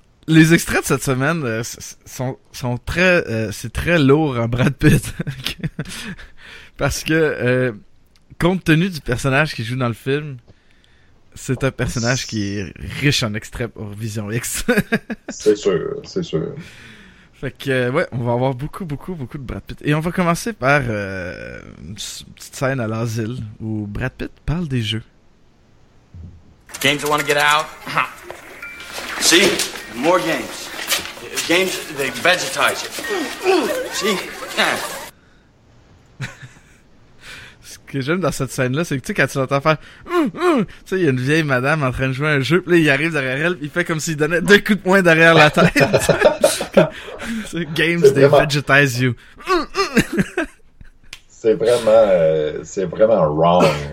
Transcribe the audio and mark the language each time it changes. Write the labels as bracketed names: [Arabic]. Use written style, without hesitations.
[French] Les extraits de cette semaine sont très c'est très lourd en Brad Pitt parce que compte tenu du personnage qu'il joue dans le film, c'est un personnage qui est riche en extraits pour Vision X. c'est sûr. Fait que ouais, on va avoir beaucoup de Brad Pitt et on va commencer par une petite scène à l'asile où Brad Pitt parle des jeux. [English] Games you want to get out. See? More games. Games, they vegetize it. See? Yeah. [French] C'est que j'aime dans cette scène-là, c'est que tu sais, quand tu l'entends faire, tu sais, il y a une vieille madame en train de jouer à un jeu, puis là, il arrive derrière elle, il fait comme s'il donnait deux coups de poing derrière la tête. C'est games, c'est vraiment... [English] they vegetize you. [French] c'est vraiment wrong.